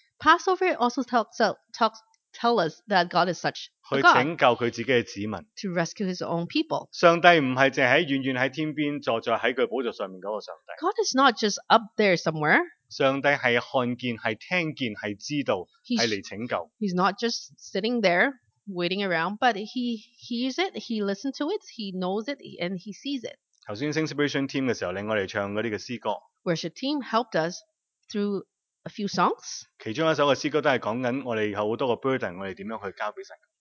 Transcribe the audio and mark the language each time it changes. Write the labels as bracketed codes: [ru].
[en] Passover also tell us that God is such. [yue] 去拯救佢自己嘅子民。 [en] To rescue His own people. [yue] 上帝唔系净系喺远远喺天边坐在喺佢宝座上面嗰个上帝。 [en] God is not just up there somewhere. [yue] 上帝系看见系听见系知道系嚟拯救。 [en] He's not just sitting there. Waiting around, but he hears it, he listens to it, he knows it, and he sees it. [yue] 剛才 Celebration Team 嘅時候，領我哋唱嗰啲嘅詩歌。 [en] Worship Team helped us through a few songs. [yue] 其中一首嘅詩歌都係講緊我哋有好多個 burden， 我哋點樣去交俾神。